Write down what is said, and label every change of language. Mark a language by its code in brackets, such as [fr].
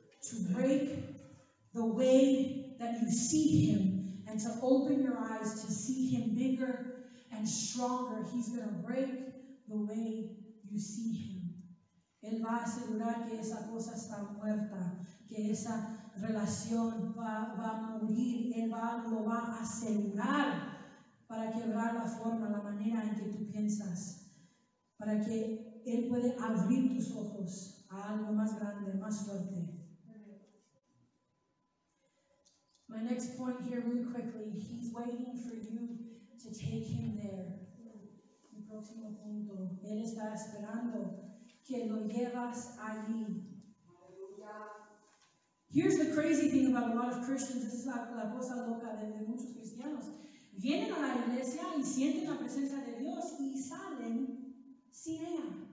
[en] To break the way that you see him and to open your eyes to see him bigger and stronger, he's going to break the way you see him. [es] Él va a asegurar que esa cosa está muerta, que esa relación va a morir. Él lo va a asegurar para quebrar la forma, la manera en que tú piensas, para que él puede abrir tus ojos a algo más grande, más fuerte. [en] My next point here, really quickly, he's waiting for you to take him there. [es] Mi próximo punto, él está esperando que lo llevas allí. [en] Here's the crazy thing about a lot of Christians, this is [es] la cosa loca de muchos cristianos. Vienen a la iglesia y sienten la presencia de Dios y salen sin ella.